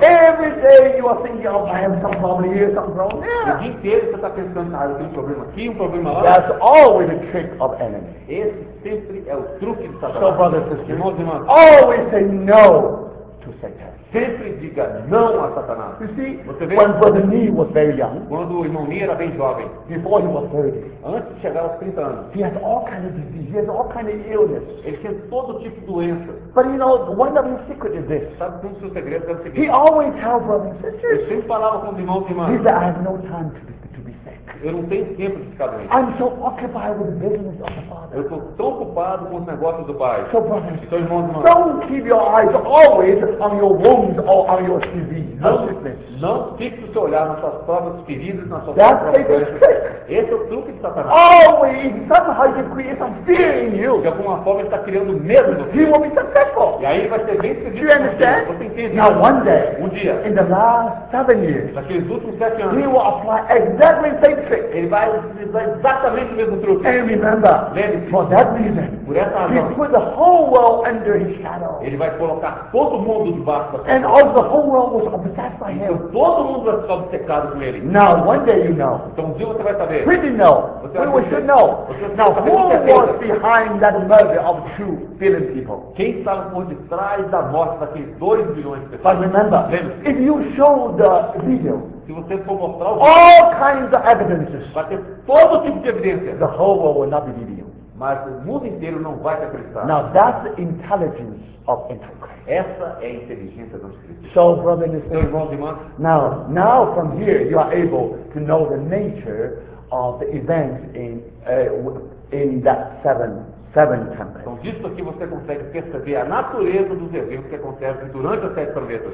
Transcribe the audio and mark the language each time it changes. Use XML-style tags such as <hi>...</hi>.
<en>every day you are thinking, oh, I have some problem here, some problem there.</en> <pt>O dia inteiro você está pensando, ah, eu tenho um problema aqui, um problema lá.</pt> <en>That's always a trick of enemy.</en> <pt>Esse sempre é o truque de Satanás.</pt> <en>So, brother and sister,</en> <pt>irmãos e irmãs,</pt> <en>always say no to Satan.</en> <pt>Sempre diga não a Satanás.</pt> <en>You see,</en> <pt>você vê?</pt> <en>When Brother Nee was very young,</en> <pt>quando o irmão Nee era bem jovem,</pt> <en>before he was 30,</en> <pt>antes de chegar aos 30 anos,</pt> <en>he had all kind of disease, he had all kind of illness.</en> <pt>Ele tinha todo tipo de doença.</pt> <en>But you know, one of his secrets is this.</en> <pt>Sabe como seu segredo é o seguinte?</pt> <en>He always tells brothers and sisters.</en> <pt>Ele sempre falava com os irmãos e irmãs.</pt> <en>He said, I have no time to be sick.</en> <pt>Eu não tenho tempo de ficar doente.</pt> <en>I'm so occupied with the business of the Father.</en> <pt>Eu estou tão ocupado com os negócios do Pai.</pt> <en>So brothers and sisters,</en> <pt>irmãos e irmãs,</pt> <en>don't keep your eyes always on your womb. Or are your TV?</en> <pt>Não fique o seu olhar nas suas próprias feridas, nas suas</pt> <en>That's</en> <pt>próprias doenças. Esse é o truque de Satanás.</pt> <en>Always, somehow he creates some fear in you.</en> <pt>De alguma forma ele está criando medo no</pt> <en>He will be successful.</en> <pt>E aí ele vai ser bem sucedido.</pt> <en>Do you understand?</en> <pt>Você entende?</pt> <en>Now one day,</en> <pt>um dia,</pt> <en>in the last 7 years,</en> <pt>naqueles últimos 7 anos,</pt> <en>he will apply exactly the same trick.</en> <pt>Ele vai utilizar exatamente o mesmo truque.</pt> <en>And remember,</en> <pt>lembre-se,</pt> <en>for that reason,</en> <pt>por essa razão,</pt> <en>he put the whole world under his shadow.</en> <pt>Ele vai colocar todo o mundo debaixo da sua.</pt> <en>And all the whole world was obsessed by him.</en> <pt>Então todo mundo vai ficar obcecado com ele.</pt> <en>Now one day you know.</en> <pt>Então um dia você vai saber.</pt> <en>Pretty know. We should know. Now who was behind that murder of 2 billion people?</en> <pt>Quem estava por detrás da morte daqueles 2 bilhões de pessoas?</pt> <en>But remember, if you show the video,</en> <pt>se você for mostrar o</pt> <en>vídeo, all kinds of evidences,</en> <pt>vai ter todo tipo de evidência.</pt> <en>The whole world will not believe you.</en> <pt>Mas o mundo inteiro não vai te acreditar.</pt> <en>Now that's the intelligence of Antichrist.</en> <pt>Essa é a inteligência do Antichrist.</pt> <en>So, brother and sister,</en> <pt>então, irmãos e irmãs,</pt> <en>now from here you are able to know the nature of the events in that seven tempest.</en> <pt>Então disso aqui você consegue perceber a natureza dos eventos que acontecem durante as sete trombetas.</pt>